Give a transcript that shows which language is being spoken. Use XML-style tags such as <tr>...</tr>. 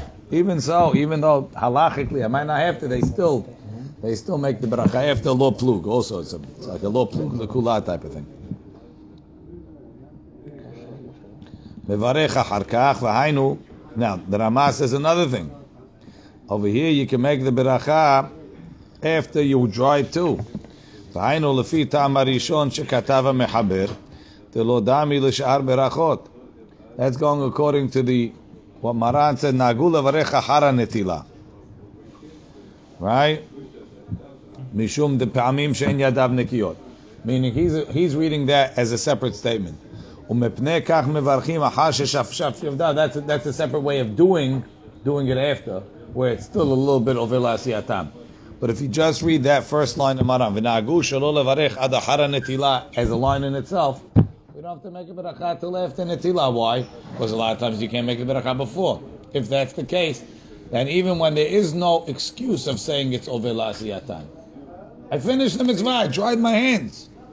<en>Even so, even though halachically I might not have to, they still make the bracha after lo plug. Also, it's like a lo plug lekula type of thing.</en> <he>Mevarech achar kach v'hainu.</he> <en>Now the Rama says another thing. Over here, you can make the bracha after you dry too.</en> <he>והיינו לפי טעם הראשון שכתב המחבר, דלא דמי לשאר ברכות.</he> <en>That's going according to the, what Maran said,</en> <he>נהגו לברך אחר הנטילה.</he> <en>Right?</en> <he>משום דפעמים שאין ידיו נקיות.</he> <en>Meaning he's reading that as a separate statement.</en> <he>ומפני כך מברכים אחר ששפשף יבדיו.</he> <en>That's a separate way of doing it after, where it's still a little bit over לעשייתם. But if you just read that first line of Maran,</en> <he>v'nagu shelo levarech ad achara netila,</he> <en>as a line in itself, we don't have to make a beracha till after netila. Why? Because a lot of times you can't make a beracha before. If that's the case, then even when there is no excuse of saying it's over la'asiyatan, I finished the mitzvah, I dried my hands.</en>